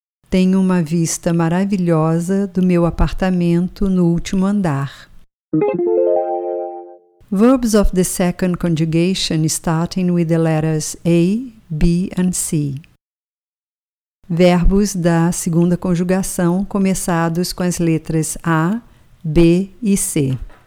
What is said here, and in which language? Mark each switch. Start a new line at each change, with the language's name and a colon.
Portuguese: Tenho uma vista maravilhosa do meu apartamento no último andar.
English: Verbs of the second conjugation starting with the letters A, B and C.
Portuguese: Verbos da segunda conjugação começados com as letras A, B e C.